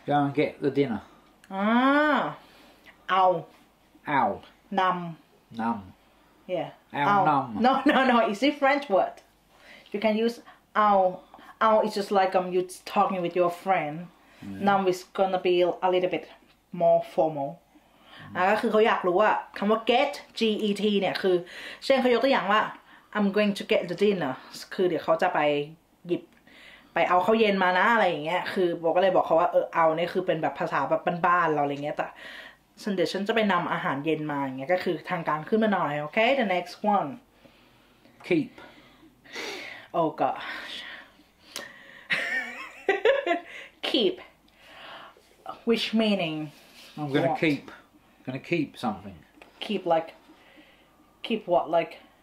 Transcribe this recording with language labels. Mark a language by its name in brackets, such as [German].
[English] Go and get the dinner. [Thai] Ah. Ow. Ow. Nam. Nam. [English] Yeah. [Thai] Ow nam. [English] No, no, no. It's a French word. You can use ow. Ow is just like you're talking with your friend. Nam is gonna be a little bit more formal. [Thai] ก็คือเขาอยากรู้ว่าคำว่า get get เนี่ยคือเช่นเขายกตัวอย่างว่า [English] I'm going to get the dinner [Thai] คือเดี๋ยวเขาจะไปหยิบไปเอาข้าวเย็นมานะอะไรอย่างเงี้ยคือบอกก็เลยบอกเขาว่าเออเอาเนี่ยคือเป็นแบบภาษาแบบบ้านๆเราอะไรเงี้ยแต่ฉันเดี๋ยวฉันจะไปนำอาหารเย็นมาอย่างเงี้ยก็คือทางการขึ้นมาหน่อยโอเค [English] the next one keep oh gosh keep which meaning I'm gonna keepGonna keep something. Keep like, keep what like?